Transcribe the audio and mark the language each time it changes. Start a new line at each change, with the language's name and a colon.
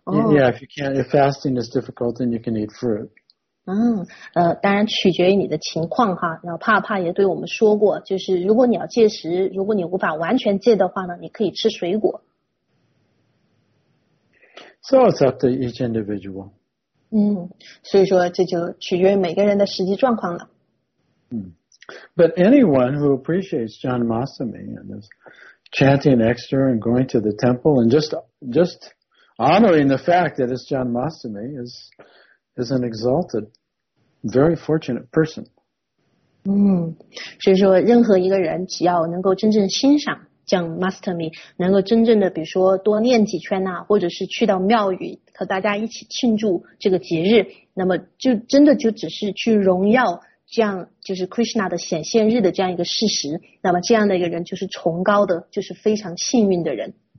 English: Yeah, if fasting is difficult, then you can eat fruit.
Chinese: 当然取决于你的情况哈。然后帕帕也对我们说过，就是如果你要戒食，如果你无法完全戒的话呢，你可以吃水果。
English: So it's up to each individual.
Chinese: 所以说这就取决于每个人的实际状况了。
English: But anyone who appreciates Janmasthami and is chanting extra and going to the temple and just honoring the fact that it's Janmasthami is an exalted, very fortunate person.
Chinese: 所以说任何一个人只要能够真正欣赏 Janmasthami, 能够真正的比如说多念几圈啊，或者是去到庙宇和大家一起庆祝这个节日，那么就真的就只是去荣耀这样就是 Krishna 的显现日的这样一个事实，那么这样的一个人就是崇高的，就是非常幸运的人。